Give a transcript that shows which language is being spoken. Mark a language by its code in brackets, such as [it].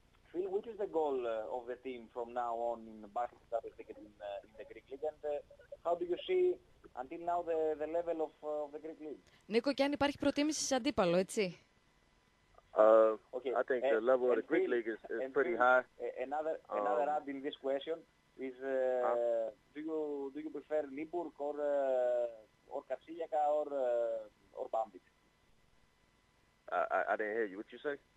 [en] Phil, which is the goal of the team from now on in the basketball in the Greek league, and how do you see until now the level of the Greek league. [el] Νίκο, και αν υπάρχει προτίμηση σε αντίπαλο, έτσι. [en] Okay. I think the level of the Greek league is pretty high. Another add in this question is do you prefer Nibourg or Kassiliaka or Bambit? I didn't hear you. What you say?